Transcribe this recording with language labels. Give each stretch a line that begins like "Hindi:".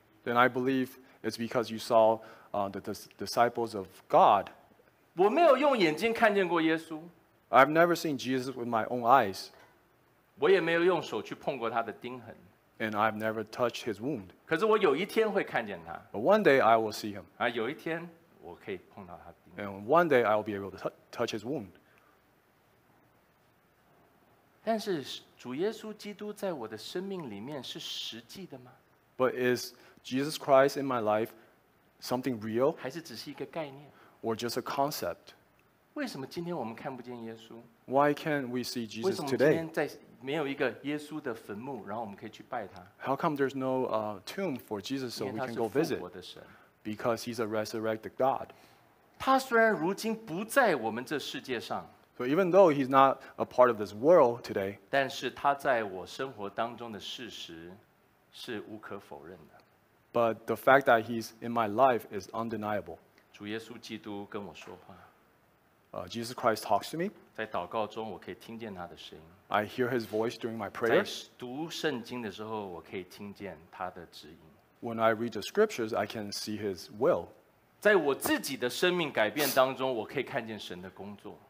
English: Then I believe it's because you saw the disciples of God.
Chinese: 我没有用眼睛看见过耶稣。
English: I've never seen Jesus with my own eyes.
Chinese: 我也没有用手去碰过他的钉痕。
English: And I've never touched his wound.
Chinese: 可是我有一天会看见他。
English: But one day I will see him.
Chinese: 有一天我可以碰到他的钉子。
English: And one day I will be able to touch his wound.
Chinese: 但是主耶稣基督在我的生命里面是实际的吗？
English: But is Jesus Christ in my life something real?
Chinese: 还是只是一个概念?
English: Or just a concept?
Chinese: 为什么今天我们看不见耶稣?
English: Why can't we see Jesus today?
Chinese: 没有一个耶稣的坟墓, 然后我们可以去拜他?
English: How come there's no tomb for Jesus so we can go visit? Because he's a resurrected God.
Chinese: 他虽然如今不在我们这世界上,
English: so even though he's not a part of this world today,
Chinese: 但是他在我生活当中的事实是无可否认的。
English: But the fact that he's in my life is undeniable.
Chinese: 主耶稣基督跟我说话。
English: Jesus Christ talks to me.
Chinese: 在祷告中我可以听见他的声音。
English: I hear his voice during my prayers.
Chinese: 在读圣经的时候我可以听见他的指引。
English: When I read the scriptures, I can see his will.
Chinese: 在我自己的生命改变当中我可以看见神的工作。